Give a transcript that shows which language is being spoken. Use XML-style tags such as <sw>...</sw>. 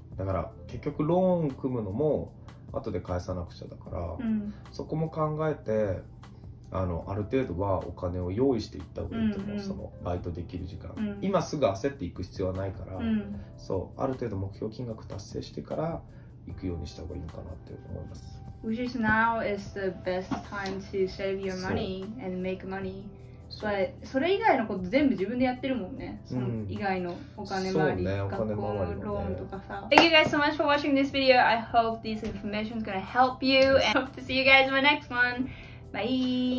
<ja>だから結局ローン組むのも後で返さなくちゃだから、うん、そこも考えて ある程度はお金を用意していった方がいいと思う、うんうん、そのバイトできる時間、うん、今すぐ焦っていく必要はないから、うん、そうある程度目標金額達成してから行くようにした方がいいかなって思います。</ja> <en>Which is now is the best time to save your money and make money。</en> <ja>それ以外のこと全部自分でやってるもんね。その以外のお金周り、学校のローンとかさ。</ja> <en>Thank you guys so much for watching this video. I hope this information is gonna help you. And hope to see you guys in my next one. Bye!</en>